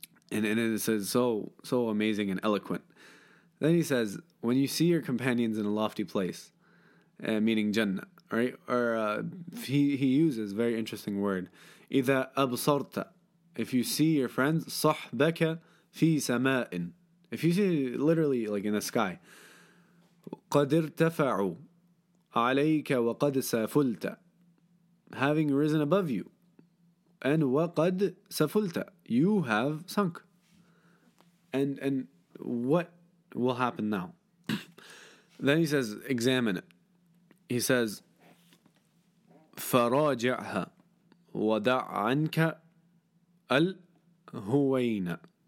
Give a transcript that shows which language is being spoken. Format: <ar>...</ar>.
<en>And it is so, so amazing and eloquent. Then he says, when you see your companions in a lofty place, meaning Jannah, right? Or he uses a very interesting word.</en> <ar>إذا أبصرت.</ar> <en>If you see your friends,</en> <ar>صحبك في سماء.</ar> <en>If you see literally like in the sky.</en> <ar>قد ارتفعوا عليك وقد سافلت.</ar> <en>Having risen above you. And</en> <ar>وقد سافلت.</ar> <en>You have sunk. And what will happen now? Then he says, examine it. He says,</en> <ar>فراجعها ودع عنك الهوين.</ar>